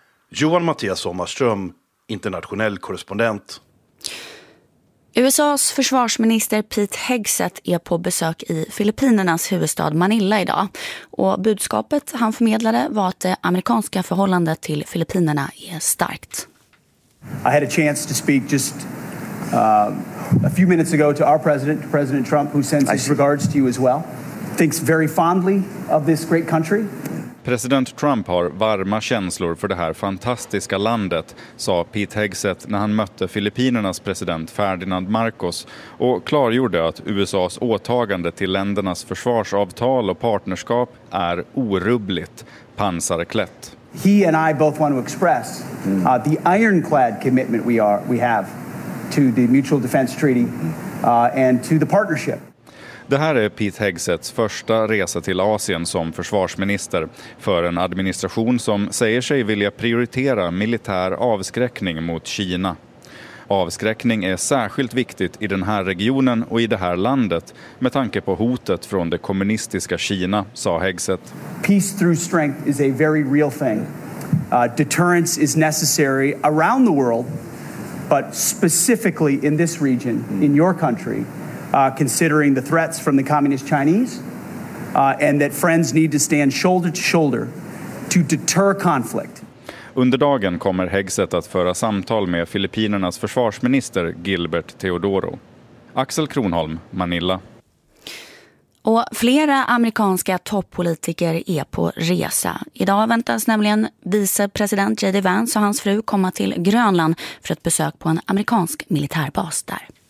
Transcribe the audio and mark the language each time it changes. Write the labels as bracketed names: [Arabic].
[Swedish] Johan Mattias Sommarström, internationell korrespondent. USAs försvarsminister Pete Hegseth är på besök i Filippinernas huvudstad Manila idag. Och budskapet han förmedlade var att det amerikanska förhållandet till Filippinerna är starkt. [English] I had a chance to speak just a few minutes ago to our president, President Trump, who sends his regards to you as well. Thinks very fondly of this great country. [Swedish] President Trump har varma känslor för det här fantastiska landet, sa Pete Hegseth när han mötte Filippinernas president Ferdinand Marcos och klargjorde att USAs åtagande till ländernas försvarsavtal och partnerskap är orubbligt, pansarklätt. [English] He and I both want to express the ironclad commitment we have to the mutual defense treaty and to the partnership. [Swedish] Det här är Pete Hegsets första resa till Asien som försvarsminister för en administration som säger sig vilja prioritera militär avskräckning mot Kina. Avskräckning är särskilt viktigt i den här regionen och i det här landet med tanke på hotet från det kommunistiska Kina, sa Hegseth. [English] Peace through strength is a very real thing. Deterrence is necessary around the world, but specifically in this region, in your country. Considering the threats from the communist Chinese and that friends need to stand shoulder to shoulder to deter conflict. [Swedish] Under dagen kommer Hegseth att föra samtal med Filippinernas försvarsminister Gilbert Teodoro. Axel Kronholm, Manila. Och flera amerikanska toppolitiker är på resa. Idag väntas nämligen vicepresident J.D. Vance och hans fru komma till Grönland för ett besök på en amerikansk militärbas där.